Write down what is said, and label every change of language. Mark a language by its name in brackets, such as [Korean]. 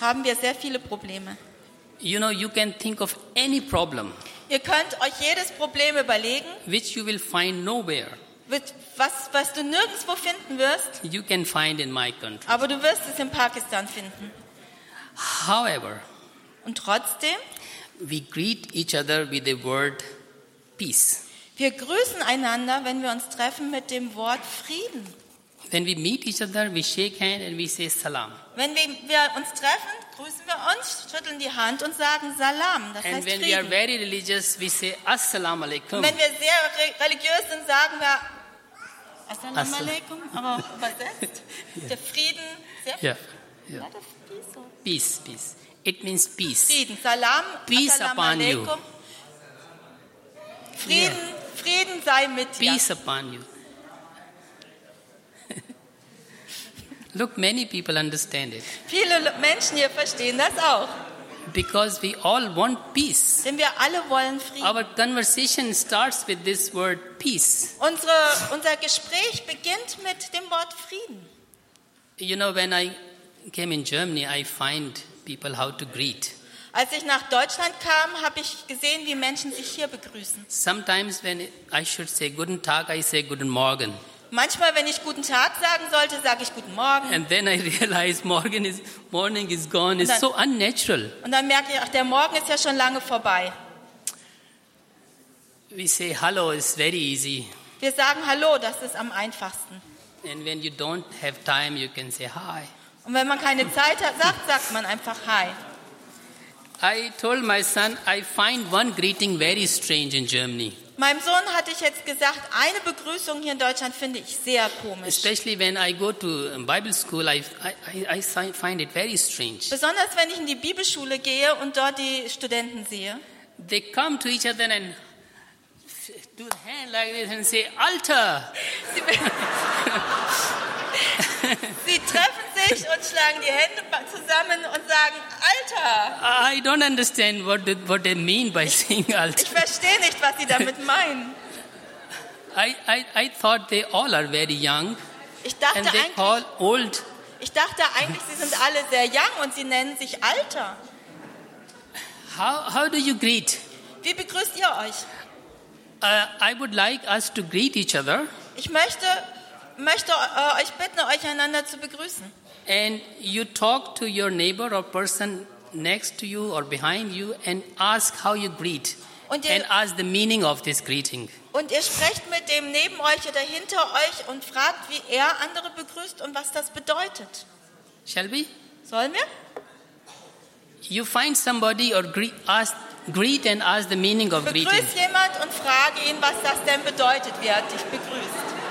[German] Haben wir sehr viele Probleme. [English] You know, you can think of any problem. [German] Ihr könnt euch jedes Problem überlegen. [English] Which you will find nowhere. [German] Was du nirgendwo finden wirst. [English] You can find in my country. [German] Aber du wirst es in Pakistan finden. [English] However. [German] Und trotzdem. [English] We greet each other with the word peace. [German] Wir grüßen einander, wenn wir uns treffen, mit dem Wort Frieden. [English] When we meet each other, we shake hands and we say salam. [German] Wenn wir uns treffen, grüßen wir uns, schütteln die Hand und sagen salam. Das [English] and [German] heißt [English] when [German] Frieden. [English] We are very religious, we say assalamu alaikum. [German] Wenn wir sehr religiös sind, sagen wir assalamu alaikum. Aber übersetzt yeah. Der Frieden. Sehr [English] yeah. Yeah. Peace, peace. It means peace. [German] Frieden, salam, [English] peace upon you. [German] Frieden, yeah. Frieden sei mit dir. [English] Peace upon you. Look, many people understand it. [German] Viele Menschen hier verstehen das auch. [English] Because we all want peace. [German] Denn wir alle wollen Frieden. [English] Our conversation starts with this word peace. [German] Unser Gespräch beginnt mit dem Wort Frieden. [English] You know, when I came in Germany, I find people how to greet. [German] Als ich nach Deutschland kam, habe ich gesehen, wie Menschen sich hier begrüßen. [English] Sometimes when I should say [German] guten Tag, [English] I say [German] guten Morgen. [English] Manchmal, wenn ich guten Tag sagen sollte, sage ich guten Morgen. And then I realize morning is gone. [German] Dann, [English] it's so unnatural. [German] Und dann merke ich, ach, der Morgen ist ja schon lange vorbei. [English] We say hello, it's very easy. [German] Wir sagen hallo, das ist am einfachsten. [English] And when you don't have time, you can say hi. [German] Und wenn man keine Zeit hat, sagt man einfach hi. [English] I told my son, I find one greeting very strange in Germany. [German] Meinem Sohn hatte ich jetzt gesagt, eine Begrüßung hier in Deutschland finde ich sehr komisch. [English] Especially when I go to Bible school, I find it very strange. [German] Besonders wenn ich in die Bibelschule gehe und dort die Studenten sehe. [English] They come to each other and do the hand like this and say, Alter! [German] Sie treffen sich und schlagen die Hände zusammen und sagen, Alter! [English] I don't understand what they mean by saying Alter. [German] Ich verstehe nicht, was sie damit meinen. [English] I thought they all are very young. [German] Ich dachte [English] and they [German] eigentlich, [English] call old. [German] Ich dachte eigentlich, sie sind alle sehr [English] young [German] und sie nennen sich Alter. [English] How do you greet? [German] Wie begrüßt ihr euch? [English] I would like us to greet each other. [German] Ich möchte euch bitten, euch einander zu begrüßen. [English] And you talk to your neighbor or person next to you or behind you and ask how you greet and ask the meaning of this greeting. [German] Und ihr sprecht mit dem neben euch oder hinter euch und fragt, wie er andere begrüßt und was das bedeutet. [English] Shall we? [German] Sollen wir? [English] You find somebody or greet and ask the meaning of greeting. [German] Begrüß jemand und frage ihn, was das denn bedeutet, wie er dich begrüßt.